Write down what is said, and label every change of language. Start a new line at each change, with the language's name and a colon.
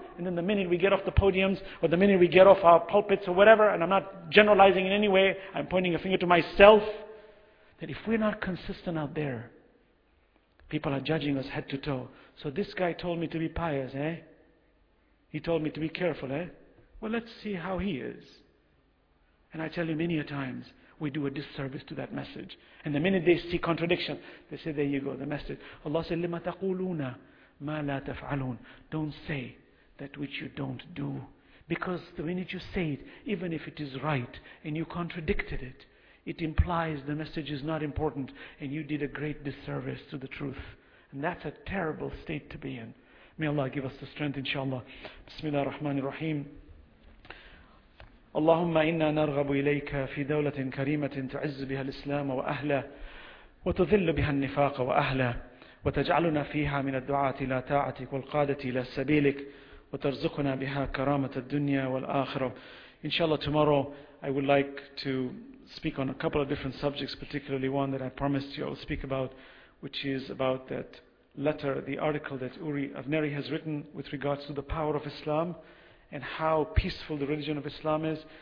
English: And then the minute we get off the podiums, or the minute we get off our pulpits or whatever, and I'm not generalizing in any way, I'm pointing a finger to myself, that if we're not consistent out there, people are judging us head to toe. So this guy told me to be pious, eh? He told me to be careful, eh? Well, let's see how he is. And I tell you many a times, we do a disservice to that message. And the minute they see contradiction, they say, there you go, the message. Allah said,
Arabic: لِمَ تَقُولُونَ مَا لَا تَفْعَلُونَ.
English: Don't say that which you don't do. Because the minute you say it, even if it is right, and you contradicted it, it implies the message is not important, and you did a great disservice to the truth. And that's a terrible state to be in. May Allah give us the strength, inshallah. Bismillah ar-Rahman ar-Rahim.
Arabic: اللهم إنا نرغب إليك في دولة كريمة تعز بها الإسلام وأهله وتذل بها النفاق وأهله وتجعلنا فيها من الدعاة إلى طاعتك والقادة إلى سبيلك وترزقنا بها كرامة الدنيا والآخرة.
English: إن شاء الله tomorrow I would like to speak on a couple of different subjects, particularly one that I promised you I will speak about, which is about that letter, the article that Uri Avneri has written with regards to the power of Islam and how peaceful the religion of Islam is.